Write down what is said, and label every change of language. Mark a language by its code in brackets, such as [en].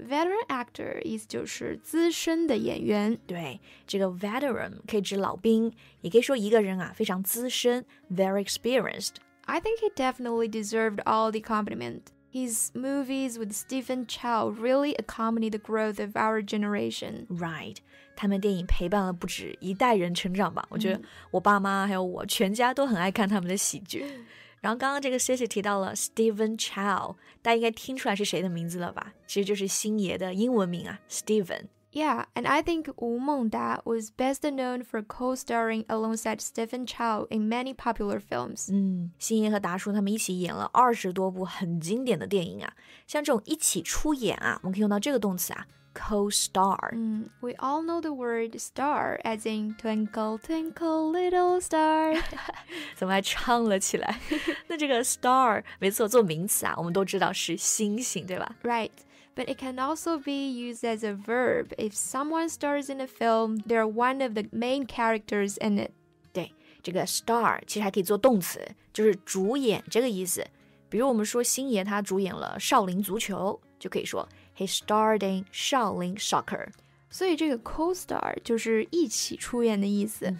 [zh] Veteran actor 意思就是资深的演员。对，这个 veteran 可以指老兵，也可以说一个人啊非常资深， [en] very experienced. I think he definitely deserved all the compliment. His movies with Stephen Chow really accompany the growth of our generation. Right. [zh] 他们电影陪伴了不止一代人成长吧。我觉得我爸妈还有我全家都很爱看他们的喜剧。然后刚刚这个 Sissy 提到了 Stephen Chow, 大家应该听出来是谁的名字了吧。其实就是星爷的英文名啊 ,Stephen. [en] Yeah, and I think 吴孟达 was best known for co-starring alongside Stephen Chow in many popular films. [zh] 嗯，星爷和达叔他们一起演了20多部很经典的电影啊。像这种一起出演啊，我们可以用到这个动词啊 ,co-star. [en] 嗯 ,we all know the word star as in twinkle twinkle little star. [zh] 怎么还唱了起来？那这个 star, 没错，做名词啊，我们都知道是星星，对吧 [en] ?Right. But it can also be used as a verb. If someone stars in a film, they're one of the main characters in it. [zh] 对，这个 star 其实还可以做动词，就是主演这个意思。比如我们说星爷他主演了少林足球，就可以说 [en] he starred in 少林 soccer. [zh] 所以这个 co-star 就是一起出演的意思。